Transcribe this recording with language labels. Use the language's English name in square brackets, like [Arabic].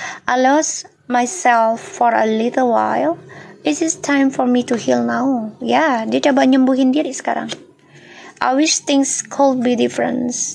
[English] I lost myself for a little while. This is time for me to heal now. [Indonesian] Ya, dia coba nyembuhin diri sekarang. [English] I wish things could be different.